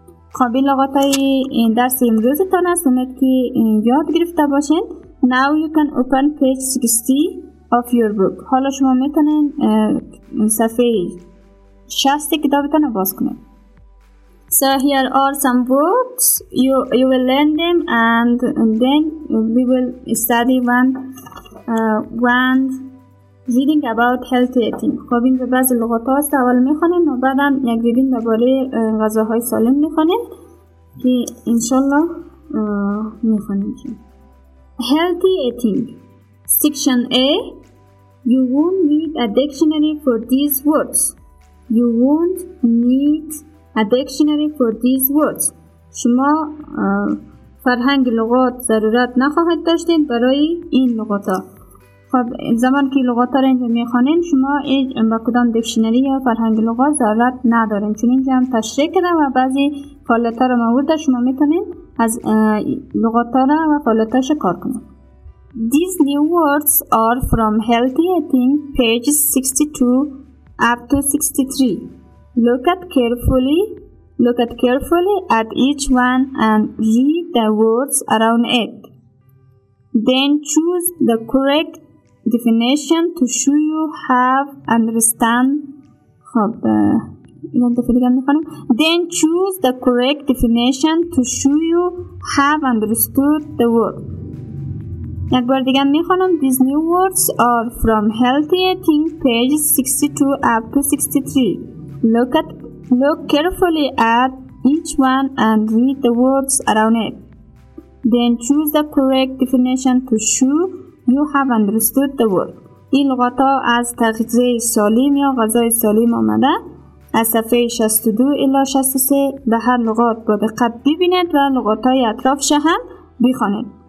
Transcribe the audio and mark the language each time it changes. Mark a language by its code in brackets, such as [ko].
[fa] خب این لغات های این درس امروزتان است امید که یاد گرفته باشین [en] now you can open page 60 of your book [fa] حالا شما میتونین صفحه 60 کتابتان رو باز کنین [en] So here are some words. You will learn them, and then we will study one reading about healthy eating. [fa] خب این بعض لغات هاست. اول میخونیم و بعدم یک reading درباره غذاهای سالم میخونیم که انشالله میخونیم. [en] Healthy eating. Section A. You won't need a dictionary for these words. You won't need A dictionary for these words. [fa] شما فرهنگ لغات ضرورت نخواهید داشتین برای این لغات ها. خب زمان که لغات ها را اینجا میخوانین شما با کدام دکشنری یا فرهنگ لغات ضرورت ندارین. چون اینجا هم تشریح کردم و بعضی فعالیت ها را مورد شما میتونین از لغات ها را و فعالیت هاش کار کنین. [en] These new words are from healthy eating pages 62 up to 63. Look carefully at each one and read the words around it. Then choose the correct definition to show you how understand. Then choose the correct definition to show you have understood the word. [fa] یک بار دیگر می خوانم [en] These new words are from Healthy Eating page 62 up to 63. Look carefully at each one and read the words around it. Then choose the correct definition to show you have understood the word. [fa] این لغات ها از تغذیه سالم یا غذای سالم آمده. از صفحه 62 الی 63 به هر لغات با دقت ببینید و لغات های اطرافش هم بخوانید.